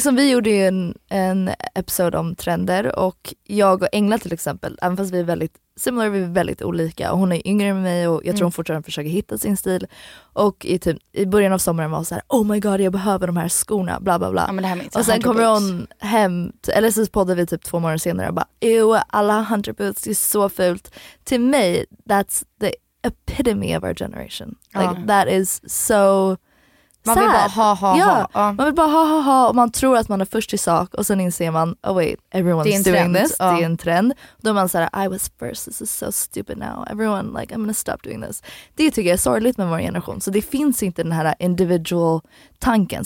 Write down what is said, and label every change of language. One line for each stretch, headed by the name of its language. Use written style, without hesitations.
Swedish: Liksom vi gjorde ju en episod om trender, och jag och Engla till exempel, även fast vi är väldigt similar, vi är väldigt olika, och hon är yngre än mig, och jag tror hon fortfarande försöker hitta sin stil, och i typ i början av sommaren var så här,
English: oh my god,
Swedish: jag behöver de här skorna, bla bla bla. Ja, men det här med, och sen kommer hon hem, eller så poddar vi typ 2 månader senare och bara, ew, alla hunter boots, det är så fult. Till mig,
English: that's the epitome of our generation. Like that is so
Swedish: man
English: sad.
Swedish: Vill bara ha ha ha. Man vill bara ha ha ha, och man tror att man är först i sak, och sen inser man,
English: oh wait, everyone's doing trend. This.
Swedish: Ja. Det är en trend. Då man säger,
English: I was first, this is so stupid now. Everyone, like, I'm gonna stop doing this.
Swedish: Det tycker jag är sorgligt med vår generation. Så det finns inte den här individual tanken.